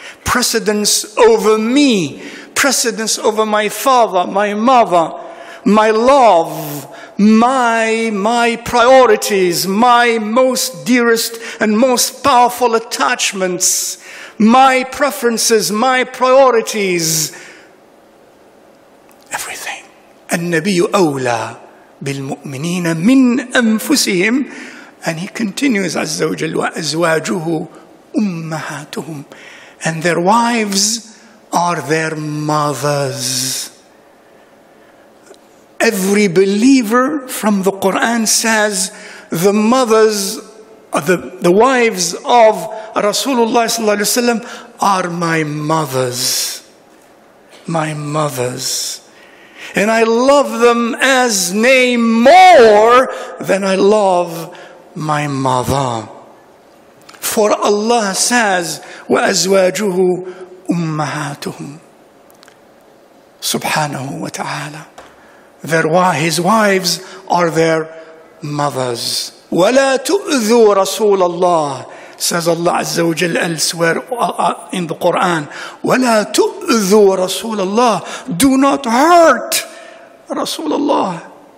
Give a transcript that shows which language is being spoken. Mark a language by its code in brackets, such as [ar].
[en] Precedence over me, precedence over my father, my mother, my love, my priorities, my most dearest and most powerful attachments, my preferences, my priorities, everything. [ar] النبي أولى بالمؤمنين من أنفسهم. [en] And he continues, [ar] عز وجل, وأزواجه أمهاتهم. [en] And their wives are their mothers. Every believer from the Quran says the mothers, the wives of Rasulullah sallallahu alaihi wasallam are my mothers. My mothers. And I love them as nay more than I love my mother. For Allah says, [ar] وَأَزْوَاجُهُ أُمَّهَاتُهُمْ سُبْحَانَهُ وَتَعَالَى. [en] His wives are their mothers. [ar] وَلَا تُؤْذُوا رَسُولَ اللَّهِ [en] says Allah Azza wa Jal elsewhere in the Quran, [ar] وَلَا تُؤْذُوا رَسُولَ اللَّهِ, [en] do not hurt Rasulullah.